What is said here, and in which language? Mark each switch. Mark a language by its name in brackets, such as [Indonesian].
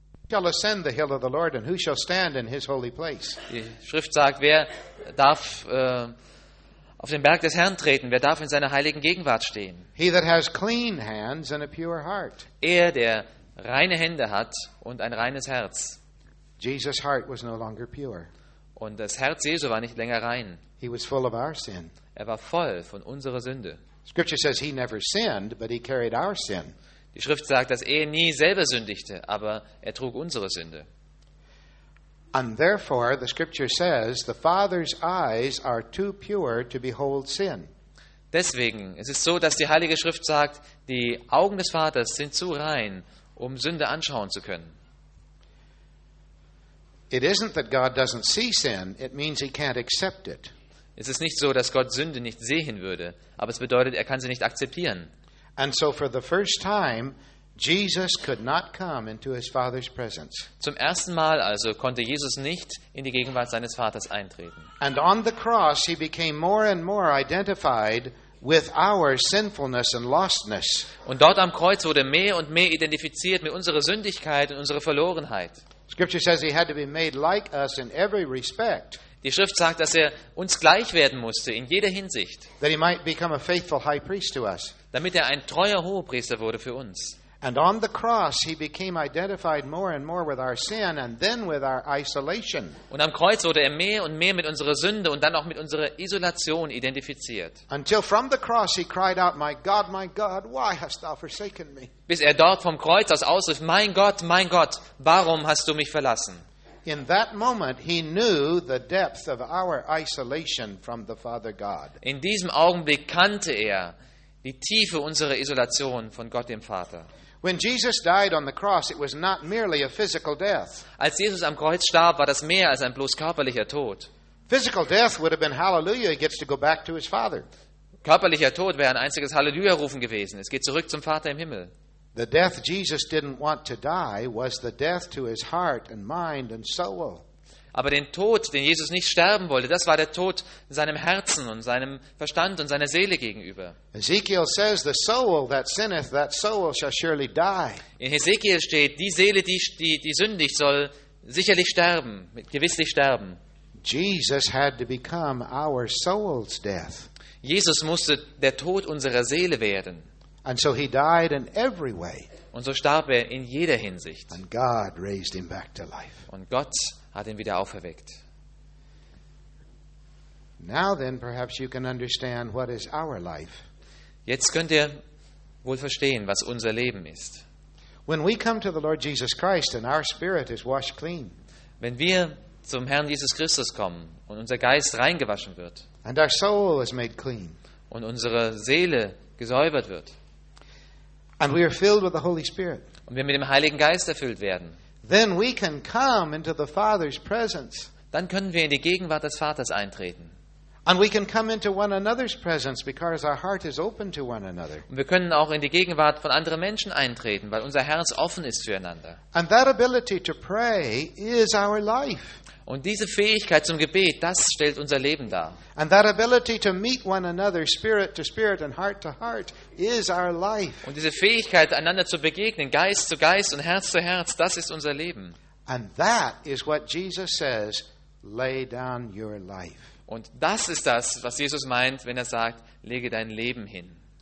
[English] Shall ascend the hill of the Lord, and who shall stand in His holy place? [German] Die Schrift sagt, wer darf auf den Berg des Herrn treten? Wer darf in seiner heiligen Gegenwart stehen? [English] He that has clean hands and a pure heart. [German] Er, der reine Hände hat und ein reines Herz. [English] Jesus' heart was no longer pure. [German] Und das Herz Jesu war nicht länger rein. [English] He was full of our sin. [German] Er war voll von unserer Sünde. [English] Scripture says he never sinned, but he carried our sin. [German] Die Schrift sagt, dass er nie selber sündigte, aber er trug unsere Sünde. [English] And therefore the scripture says the Father's eyes are too pure to behold sin. [German] Deswegen, es ist so, dass die Heilige Schrift sagt, die Augen des Vaters sind zu rein, um Sünde anschauen zu können. [English] It isn't that God doesn't see sin, it means he can't accept it. [German] Es ist nicht so, dass Gott Sünde nicht sehen würde, aber es bedeutet, er kann sie nicht akzeptieren. [English] And so for the first time Jesus could not come into his father's presence. [German] Zum ersten Mal also konnte Jesus nicht in die Gegenwart seines Vaters eintreten. [English] And on the cross he became more and more identified with our sinfulness and lostness. [German] Und dort am Kreuz wurde mehr und mehr identifiziert mit unserer Sündigkeit und unserer Verlorenheit. [English] Scripture says he had to be made like us in every respect. [German] Die Schrift sagt, dass er uns gleich werden musste in jeder Hinsicht. [English] That he might become a faithful high priest to us. [German] Damit er ein treuer Hohepriester wurde für uns. [English] And on the cross he became identified more and more with our sin and then with our isolation. [German] Und am Kreuz wurde er mehr und mehr mit unserer Sünde und dann auch mit unserer Isolation identifiziert. [English] Until from the cross he cried out, my God, why hast thou forsaken me? [German] Bis er dort vom Kreuz aus ausrief, mein Gott, warum hast du mich verlassen? [English] In that moment he knew the depth of our isolation from the Father God. [German] In diesem Augenblick kannte er die Tiefe unserer Isolation von Gott dem Vater. [English] When Jesus died on the cross, it was not merely a physical death. [German] Als Jesus am Kreuz starb, war das mehr als ein bloß körperlicher Tod. [English] Physical death would have been hallelujah, he gets to go back to his father. [German] Körperlicher Tod wäre ein einziges Halleluja rufen gewesen. Es geht zurück zum Vater im Himmel. [English] The death Jesus didn't want to die was the death to his heart and mind and soul. [German] Aber den Tod, den Jesus nicht sterben wollte, das war der Tod seinem Herzen und seinem Verstand und seiner Seele gegenüber. [English] Ezekiel says, the soul that sinneth, that soul shall surely die. [German] In Ezekiel steht, die Seele, die sündigt, soll sicherlich sterben, gewisslich sterben. [English] Jesus had to become our soul's death. [German] Jesus musste der Tod unserer Seele werden. [English] And so he died in every way. [German] Und so starb er in jeder Hinsicht. [English] And God raised him back to life. [German] Und Gott hat ihn wieder auferweckt. [English] Now then, perhaps you can understand what is our life. [German] Jetzt könnt ihr wohl verstehen, was unser Leben ist. [English] When we come to the Lord Jesus Christ and our spirit is washed clean. [German] Wenn wir zum Herrn Jesus Christus kommen und unser Geist reingewaschen wird. [English] And our soul is made clean. [German] Und unsere Seele gesäubert wird. [English] And we are filled with the Holy Spirit. [German] Und wir mit dem Heiligen Geist erfüllt werden. [English] Then we can come into the Father's presence. [German] Dann können wir in die Gegenwart des Vaters eintreten. [English] And we can come into one another's presence because our heart is open to one another. [German] Und wir können auch in die Gegenwart von anderen Menschen eintreten, weil unser Herz offen ist füreinander. [English] And that ability to pray is our life. [German] Und diese Fähigkeit zum Gebet, das stellt unser Leben dar. [English] And that ability to meet one another spirit to spirit and heart to heart is our life. [German] Und diese Fähigkeit einander zu begegnen, Geist zu Geist und Herz zu Herz, das ist unser Leben. [English] And that is what Jesus says, lay down your life. [German] Und das ist das, was Jesus meint, wenn er sagt, lege dein Leben hin.